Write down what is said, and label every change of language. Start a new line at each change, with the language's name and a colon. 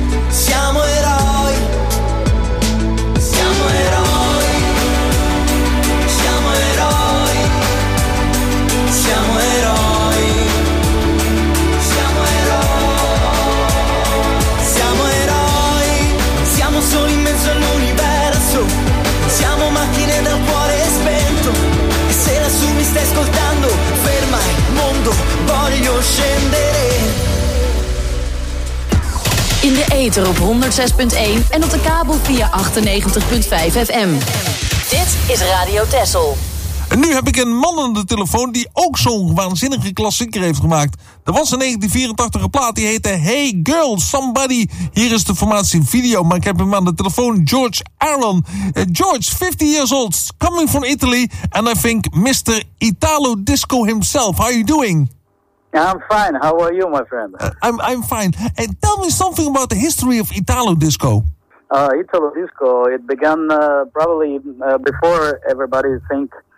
Italian: Siamo eroi, siamo eroi, siamo eroi, siamo eroi, siamo eroi, siamo eroi, siamo soli in mezzo all'universo, siamo macchine dal cuore spento, e se lassù mi stai ascoltando, ferma il mondo, voglio scendere.
Dutch: In de ether op 106.1 en op de kabel via 98.5 FM. Dit is Radio Texel. En nu heb ik een man aan de telefoon die ook zo'n waanzinnige klassieker heeft gemaakt. Dat was een 1984 plaat, die heette Hey Girl Somebody. Hier is de formatie video, maar ik heb hem aan de telefoon, George Aaron.
English: George, 50 years old, coming from Italy, and I think Mr. Italo Disco himself. How are you doing? I'm fine. How are you, my friend? I'm fine. And tell me something about the history of Italo Disco. Italo Disco, it began probably before everybody think.